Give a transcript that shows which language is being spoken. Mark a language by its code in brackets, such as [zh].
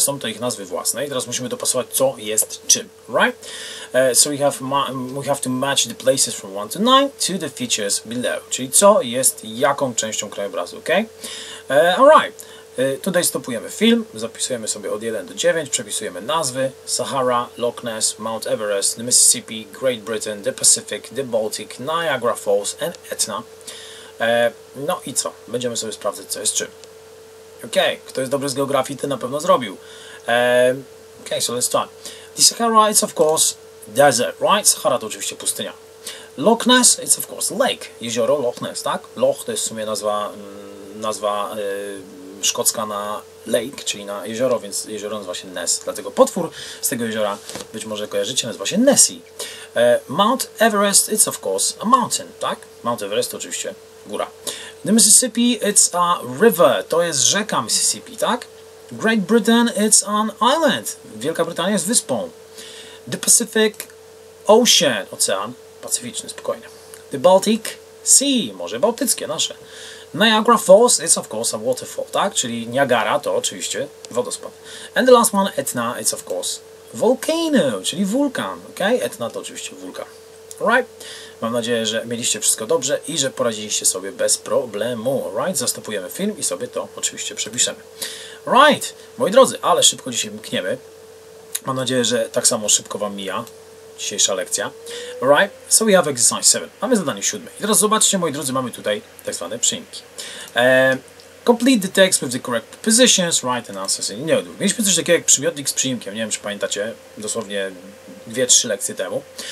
[pl] Są to ich nazwy własne. I teraz musimy dopasować, co jest czym. [en] Right? So we have to match the places from 1 to 9 to the features below. [pl] Czyli co jest jaką częścią krajobrazu. Okay? Alright. Tutaj stopujemy film, zapisujemy sobie od 1 do 9, przepisujemy nazwy: Sahara, Loch Ness, Mount Everest, the Mississippi, Great Britain, the Pacific, the Baltic, Niagara Falls and Etna. No i co? Będziemy sobie sprawdzać, co jest czym. Okej, okay. Kto jest dobry z geografii, ten na pewno zrobił. [en] Okej, okay, so let's start. The Sahara is of course desert, right? [pl] Sahara to oczywiście pustynia. [en] Loch Ness is of course lake, [pl] jezioro Loch Ness, tak? Loch to jest w sumie nazwa szkocka na lake, czyli na jezioro, więc jezioro nazywa się Ness. Dlatego potwór z tego jeziora, być może kojarzycie, nazywa się Nessie. [en] Mount Everest, it's of course a mountain, tak? [pl] Mount Everest to oczywiście góra. [en] The Mississippi, it's a river, [pl] to jest rzeka Mississippi, tak? [en] Great Britain, it's an island. [pl] Wielka Brytania jest wyspą. The Pacific, ocean, ocean, pacyficzny, spokojny. The Baltic, sea, morze bałtyckie, nasze. [en] Niagara Falls, it's of course a waterfall, tak? [pl] Czyli Niagara to oczywiście wodospad. [en] And the last one, Etna, it's of course volcano, [pl] czyli wulkan, [en] ok? [pl] Etna to oczywiście wulkan. Alright? Mam nadzieję, że mieliście wszystko dobrze i że poradziliście sobie bez problemu, alright? Zastopujemy film i sobie to oczywiście przepiszemy. Alright, moi drodzy, ale szybko dzisiaj mkniemy. Mam nadzieję, że tak samo szybko wam mija dzisiejsza lekcja. [en] Alright, so we have exercise 7. [pl] Mamy zadanie 7. I teraz zobaczcie, moi drodzy, mamy tutaj tak zwane przyimki. [en] Complete the text with the correct positions, write and answer in the order. [pl] Mieliśmy coś takiego jak przymiotnik z przyimkiem, nie wiem, czy pamiętacie, dosłownie 2-3 lekcje temu.